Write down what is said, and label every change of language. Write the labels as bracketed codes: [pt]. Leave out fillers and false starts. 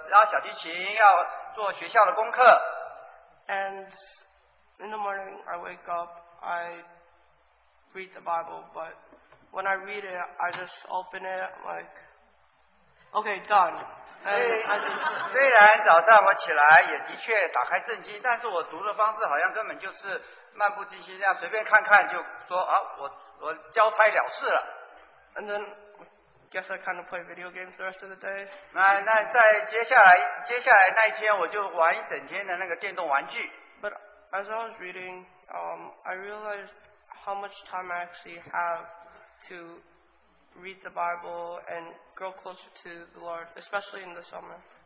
[zh] 所以这个整个夏天，我妈妈就告诉说，你要读圣经，你要做功课，要那个拉小提琴，要做学校的功课。 [en] And in the morning, I wake up, I read the Bible, but when I read it, I just open it like, okay, done. [zh] 虽然早上我起来也的确打开圣经，但是我读的方式好像根本就是漫不经心这样随便看看就说啊，我交差了事了。 [en] And then I guess I kind of play video games the rest of the day. [zh] 那在接下来那一天我就玩一整天的那个电动玩具。 [en] But as I was reading, I realized how much time I actually have to read the Bible and grow closer to the Lord, especially in the summer.